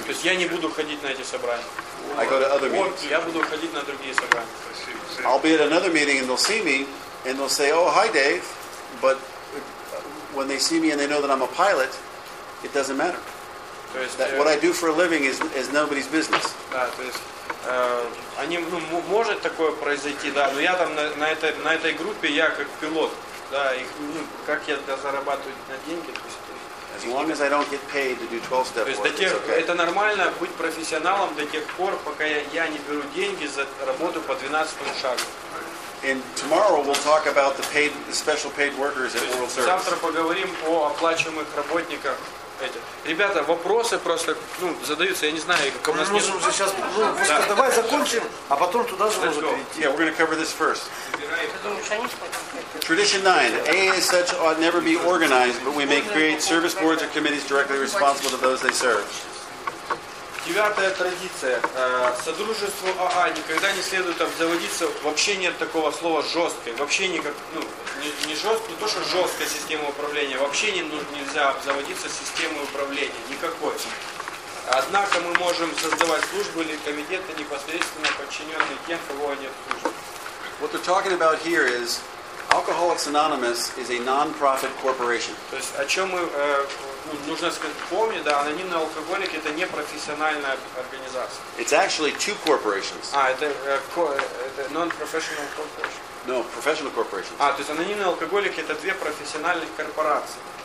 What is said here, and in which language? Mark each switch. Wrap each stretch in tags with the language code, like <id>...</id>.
<ru>То есть я не буду ходить на эти собрания.</ru> <en>I go to other meetings.</en> <ru>Я буду ходить на другие собрания.</ru> <en>I'll be at another meeting and they'll see me and they'll say, "Oh, hi, Dave." But when they see me and they know that I'm a pilot, it doesn't matter. That what I do for a living is nobody's business.</en> <ru>Да, то есть они может такое произойти, да, но я там на этой группе я как пилот, да, и как я зарабатываю на деньги, то есть.</ru> <en>As long as I don't get paid to do 12-step work.</en> <ru>То есть до тех это нормально быть профессионалом до тех пор, пока я не беру деньги за работу по 12-му шагу. And tomorrow we'll talk about the special paid workers at World Service. Завтра поговорим о оплачиваемых работниках. Ребята, вопросы просто задаются, я не знаю, как у нас нет. Сейчас, давай закончим, а потом туда же можно перейти.</ru> <en>Yeah, we're going to cover this first. Tradition 9. AA as such ought never be organized, but we may create service boards or committees directly responsible to those they serve.</en> <ru>Девятая традиция. Содружеству АА никогда не следует обзаводиться, вообще нет такого слова жесткой. Вообще никак, не жесткой, не то, что жесткая система управления, вообще нельзя обзаводиться системой управления, никакой. Однако мы можем создавать службу или комитеты, непосредственно подчиненные тем, кого они обслуживают.</ru> <en>What they're talking about here is Alcoholics Anonymous is a non-profit corporation.</en> <ru>То есть о чем мы нужно сказать, помнить, да, анонимные алкоголики это не профессиональная организация.</ru> <en>It's actually two corporations.</en> <ru>А, это</ru> <en>non-professional corporation. No, professional corporations.</en> <ru>А, то есть анонимные алкоголики это две профессиональных корпорации.</ru>